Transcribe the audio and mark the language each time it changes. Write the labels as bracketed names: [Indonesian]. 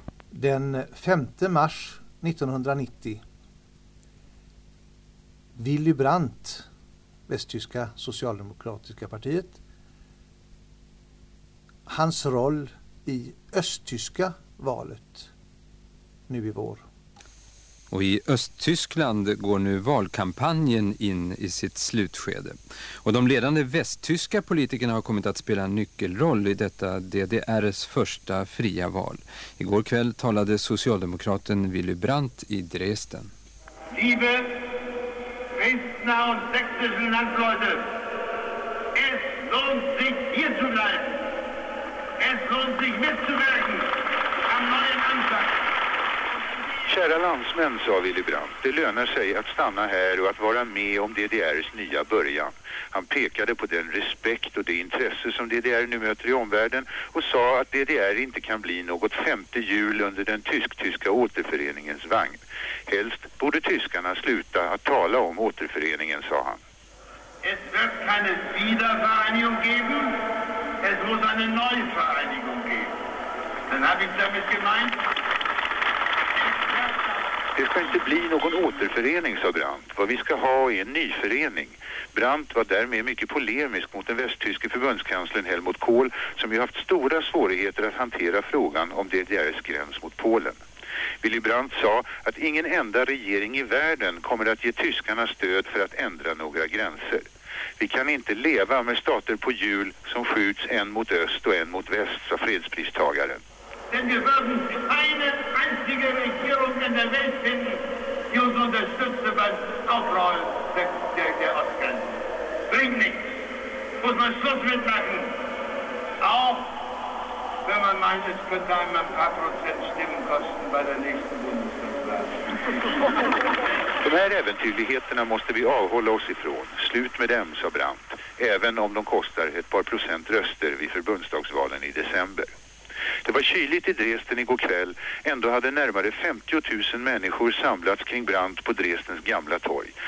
[Swedish] Den 5 mars 1990, Willy Brandt, Västtyska socialdemokratiska partiet, hans roll i östtyska valet nu i vår. Och i Östtyskland går nu valkampanjen in i sitt slutskede. Och de ledande västtyska politikerna har kommit att spela en nyckelroll i detta DDRs första fria val. Igår kväll talade socialdemokraten Willy Brandt i Dresden. [German] Liebe Dresdner und sächsische Landleute, es lohnt sich hier zu bleiben. Es lohnt sich mitzuwirken. [Swedish] Kära landsmän, sa Willy Brandt, det lönar sig att stanna här och att vara med om DDRs nya början. Han pekade på den respekt och det intresse som DDR nu möter i omvärlden och sa att DDR inte kan bli något femte hjul under den tysk-tyska återföreningens vagn. Helst borde tyskarna sluta att tala om återföreningen, sa han. [German] Es wird keine Wiedervereinigung geben, es muss eine Neuvereinigung geben. Dann habe ich damit gemeint. [Swedish] Det ska inte bli någon återförening, sa Brandt. Vad vi ska ha är en ny förening. Brandt var därmed mycket polemisk mot den västtyske förbundskanslern Helmut Kohl som ju haft stora svårigheter att hantera frågan om DDRs gräns mot Polen. Willy Brandt sa att ingen enda regering i världen kommer att ge tyskarna stöd för att ändra några gränser. Vi kan inte leva med stater på hjul som skjuts en mot öst och en mot väst, sa fredspristagaren. [German] Denn wir würden keine einzige Regierung in der Welt finden, die uns unterstützte beim Aufrollen der Ostgrenze. Bringt nichts. Muss man Schluss mitmachen. Auch wenn man meint, es könnte einem ein paar Prozent Stimmen kosten bei der nächsten Bundestagswahl. [Swedish] De här äventyrligheterna måste vi avhålla oss ifrån. Slut med dem, sa Brandt. Även om de kostar ett par procent röster vid förbundsdagsvalen i december. Det var kyligt i Dresden igår kväll. Ändå hade närmare 50 000 människor samlats kring Brandt på Dresdens gamla torg.